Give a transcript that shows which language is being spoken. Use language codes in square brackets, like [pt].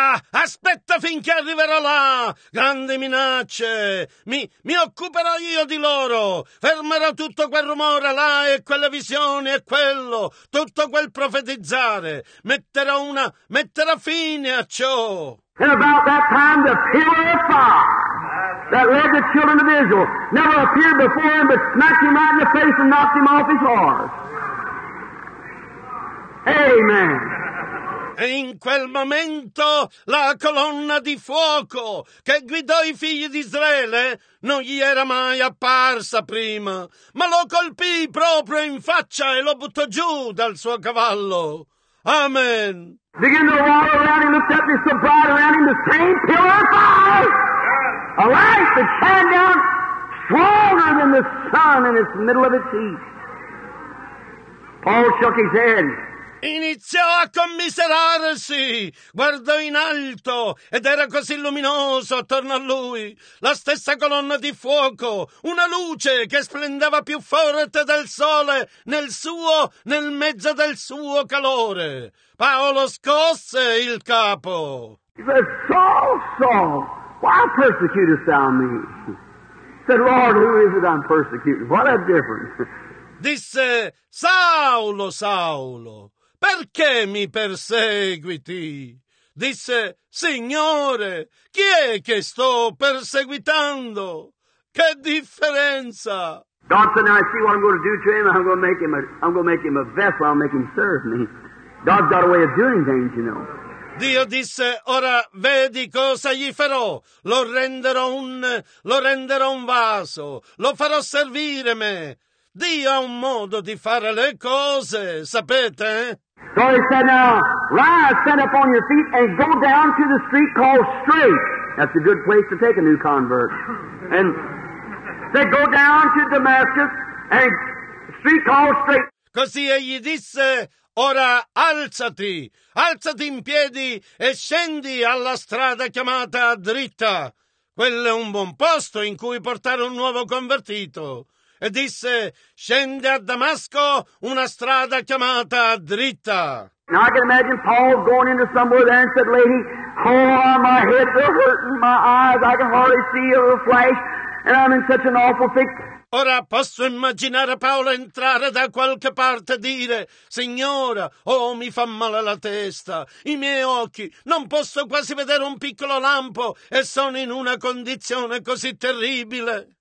[it] Aspetta finché arriverò là, grandi minacce, mi occuperò io di loro, fermerò tutto quel rumore là e quelle visioni e quello, tutto quel profetizzare, metterò fine a ciò. [en] And about that time the pillar of fire that led the children of Israel never appeared before him but smacked him right in the face and knocked him off his horse. Amen. [it] E in quel momento la colonna di fuoco che guidò i figli di Israele non gli era mai apparsa prima, ma lo colpì proprio in faccia e lo buttò giù dal suo cavallo. Amen. [en] Begin to walk around him, looked up and so bright around him, the same pillar of fire, a light that shined down stronger than the sun in its middle of its heat. Paul shook his head. [it] Iniziò a commiserarsi, guardò in alto ed era così luminoso attorno a lui, la stessa colonna di fuoco, una luce che splendeva più forte del sole nel mezzo del suo calore. Paolo scosse il capo. [en] He said, Saul, Saul, why persecutest thou me? He said, Lord, who is it I'm persecuting? What a difference. [it] Disse, Saulo, Saulo. Perché mi perseguiti? disse, Signore, chi è che sto perseguitando? Che differenza! [en] God said, now I see what I'm going to do to him. I'm going to make him a vessel. I'll make him serve me. God's got a way of doing things, you know. [it] Dio disse, ora vedi cosa gli farò. Lo renderò un vaso. Lo farò servire me. Dio ha un modo di fare le cose, sapete? [en] So he said, now, rise, stand up on your feet and go down to the street called Straight. That's a good place to take a new convert. And they go down to Damascus and street called Straight. [it] Così egli disse, ora alzati in piedi e scendi alla strada chiamata Dritta. Quello è un buon posto in cui portare un nuovo convertito. E disse, scende a Damasco, una strada chiamata Dritta. [en] Now I can imagine Paul going into somewhere there and said, lady, oh, my head's hurting, my eyes, I can hardly see a flash, and I'm in such an awful fix. [it] Ora posso immaginare Paolo entrare da qualche parte e dire, Signora, oh, mi fa male la testa, i miei occhi, non posso quasi vedere un piccolo lampo e sono in una condizione così terribile.